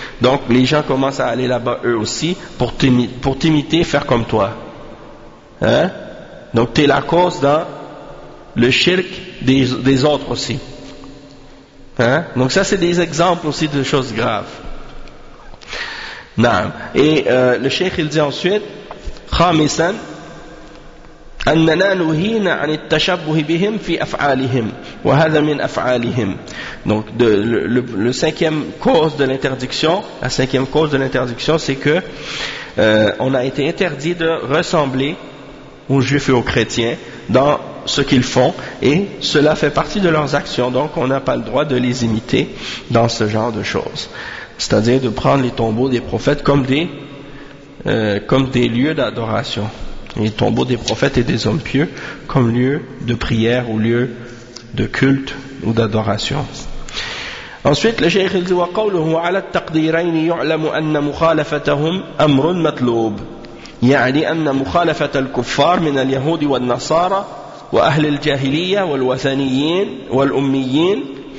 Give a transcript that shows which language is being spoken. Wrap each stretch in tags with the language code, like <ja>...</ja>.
<fr>Donc, les gens commencent à aller là-bas eux aussi pour t'imiter, faire comme toi. Hein? Donc, t'es la cause dans le shirk des autres aussi. Hein? Donc, ça, c'est des exemples aussi de choses graves.</fr> <ar>نعم.</ar> <fr>le</fr> <ar>شيخ يلزي</ar> <fr>ensuite</fr> <ar>خامسا أننا نهينا عن التشبه بهم في أفعالهم وهذا من أفعالهم.</ar> <fr>Donc le cinquième cause de l'interdiction, la cinquième cause de l'interdiction, c'est que on a été interdit de ressembler aux juifs et aux chrétiens dans ce qu'ils font, et cela fait partie de leurs actions, donc on n'a pas le droit de les imiter dans ce genre de choses. C'est-à-dire de prendre les tombeaux des prophètes comme des lieux d'adoration. Les tombeaux des prophètes et des hommes pieux comme lieu de prière ou lieu de culte ou d'adoration. Ensuite, le cheikh dit,</fr> <ar>وَقَوْلُهُ عَلَى التَّقْدِيرَيْنِ يُعْلَمُ أَنَّ مُخَالَفَتَهُمْ أَمْرٌ مَطْلُوبٌ يَعْنِي أَنَّ مُخَالَفَةَ الْكُفَّارِ مِنَ الْيَهُودِ وَالنَّصَارَى وَأَهْلِ الْجَاهِلِيَّةِ وَالْوَثَنِيِّينَ وَالْأُمِّيِّينَ</ar>